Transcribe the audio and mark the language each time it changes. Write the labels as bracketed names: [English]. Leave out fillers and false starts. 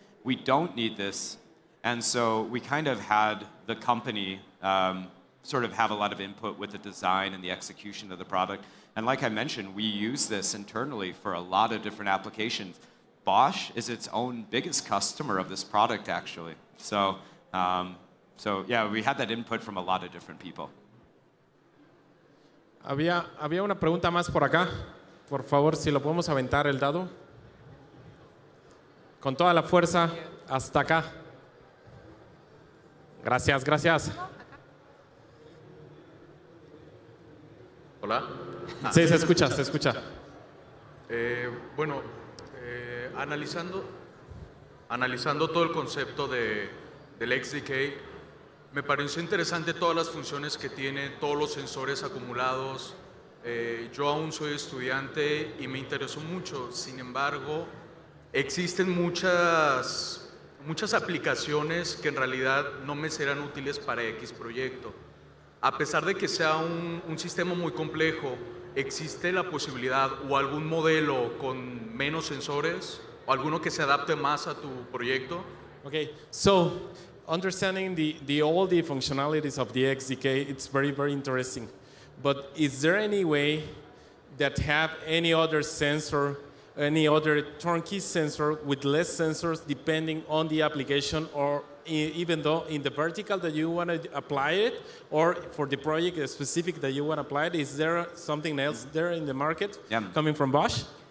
[English] We don't need this. And so we kind of had the company sort of have a lot of input with the design and the execution of the product. And like I mentioned, we use this internally for a lot of different applications. Bosch is its own biggest customer of this product, actually. So, yeah, we had that input from a lot of different people. [Spanish] Había una pregunta más por acá. Por favor, si lo podemos aventar el dado. Con toda la fuerza, hasta acá. Gracias, gracias. ¿Hola? Sí, se escucha. Bueno, analizando, analizando todo el concepto de, del XDK, me pareció interesante todas las funciones que tiene, todos los sensores acumulados. Yo aún soy estudiante y me interesó mucho. Sin embargo, existen muchas aplicaciones que en realidad no me serán útiles para X proyecto. A pesar de que sea un sistema muy complejo, ¿existe la posibilidad o algún modelo con menos sensores o alguno que se adapte más a tu proyecto? [English] Okay, so understanding the all the functionalities of the XDK, it's very, very interesting. But is there any way that have any other sensor, any other turnkey sensor with less sensors depending on the application or even though in the vertical that you want to apply it or for the project specific that you want to apply it, is there something else there in the market coming from Bosch?